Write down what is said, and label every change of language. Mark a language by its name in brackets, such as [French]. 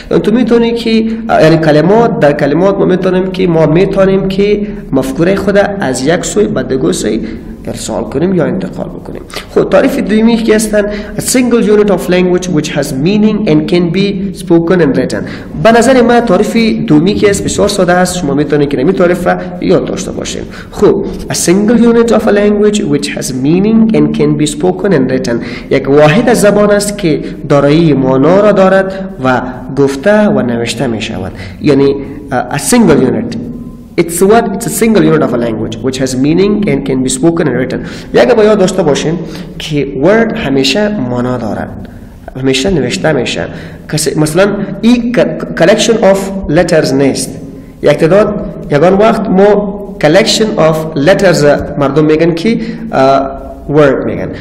[Persian] یعنی تو میتونی که یعنی کلمات، در کلمات ما میتونیم که ما میتونیم که مفکوره خود از یک سوی به دیگر سوی ارسال کنیم یا انتقال بکنیم. خود تعریف دومی که هستن، [English] a single unit of language which has meaning and can be spoken and written. [Persian] به نظر من تعریف دومی که هست بسیار ساده است، شما میتونید که نمی تعریف را یاد داشته باشین. [English] خوب، a single unit of a language which has meaning and can be spoken and written. [Persian] یک واحد از زبان است که دارایی معنا را دارد و گفته و نوشته می شود. [English] یعنی a single unit. It's what? It's a single unit of a language which has meaning and can be spoken and written. [Persian] یک بار یاد داشته باشین که word همیشه معنا دارد، همیشه نوشته میشه. مثلا این [English] collection of letters [Persian] نیست. یک تعداد یکان وقت ما [English] collection of letters [Persian] مردم میگن که word میگن.